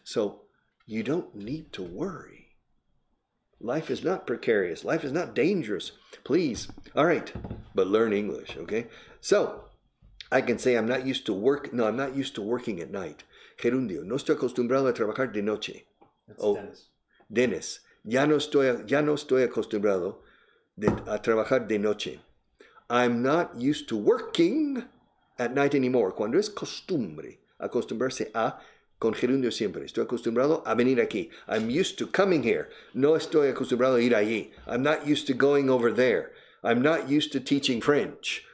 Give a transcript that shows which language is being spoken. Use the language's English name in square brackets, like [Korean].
[English] So you don't need to worry. Life is not precarious. Life is not dangerous. Please. All right. But learn English, okay? So I can say I'm not used to working at night. [Spanish] Gerundio. No estoy acostumbrado a trabajar de noche. [English] That's Dennis. [Spanish] Ya no estoy acostumbrado a trabajar de noche. [English] I'm not used to working at night anymore. [Spanish] Cuando es costumbre. Acostumbrarse a, con gerundio siempre. Estoy acostumbrado a venir aquí. [English] I'm used to coming here. [Spanish] No estoy acostumbrado a ir allí. [English] I'm not used to going over there. I'm not used to teaching French.